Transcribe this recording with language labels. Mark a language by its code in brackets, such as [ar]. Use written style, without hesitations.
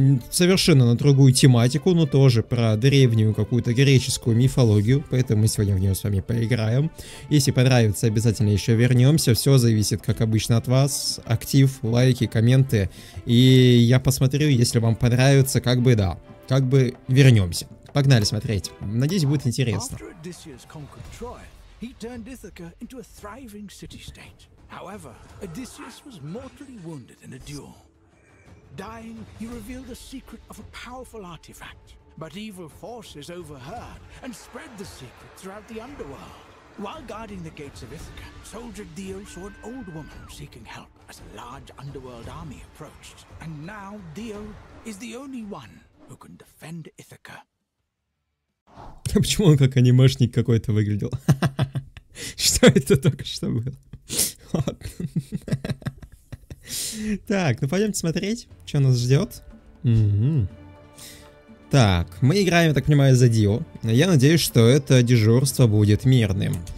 [ru] совершенно на другую тематику, но тоже про древнюю какую-то греческую мифологию, поэтому мы сегодня в нее с вами поиграем, если понравится, обязательно еще вернемся, все зависит, как обычно, от вас, актив, лайки, комменты, и я посмотрю, если вам понравится, как бы да, как бы вернемся. Погнали смотреть. Надеюсь, будет интересно. После Одиссея конкурса Троя, он превратил Ithaca в [en] thriving city-state. [ru] Однако, Одиссея был [en] mortally wounded in a duel. Dying, he revealed the secret of a powerful artifact. But evil forces overheard and spread the secret throughout the underworld. While guarding the gates of Ithaca, soldier Deal saw an old woman seeking help as a large underworld army approached. And now Deal is the only one who can defend Ithaca. [ru] Почему он как анимешник какой-то выглядел? Что это только что было? Так, ну пойдемте смотреть, что нас ждет. Так, мы играем, я так понимаю, за Дио. Я надеюсь, что это дежурство будет мирным.